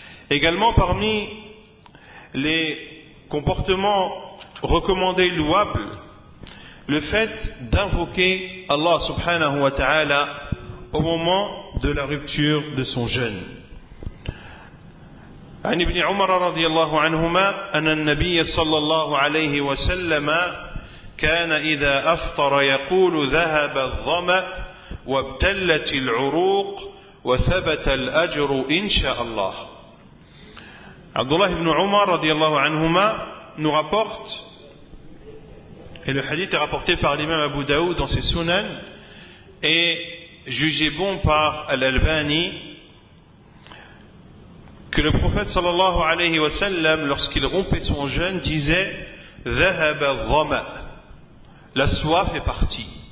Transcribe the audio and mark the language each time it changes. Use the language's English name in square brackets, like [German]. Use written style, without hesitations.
[French] Également, parmi les comportements recommandés louables, le fait d'invoquer Allah subhanahu wa ta'ala au moment de la rupture de son jeûne. [Arabic] عن ابن عمر رضي الله عنهما أن النبي صلى الله عليه وسلم كان إذا أفطر يقول ذهب الظمأ وابتلت العروق وثبت الأجر إن شاء الله. عبد الله بن عمر رضي الله عنهما [French] nous rapporte, et le hadith est rapporté par l'imam Abu Daoud dans ses Sunan et jugé bon par Al-Albani, que le prophète sallallahu alayhi wa sallam, lorsqu'il rompait son jeûne, disait « [Arabic] ذهب الظما [French] » La soif est partie.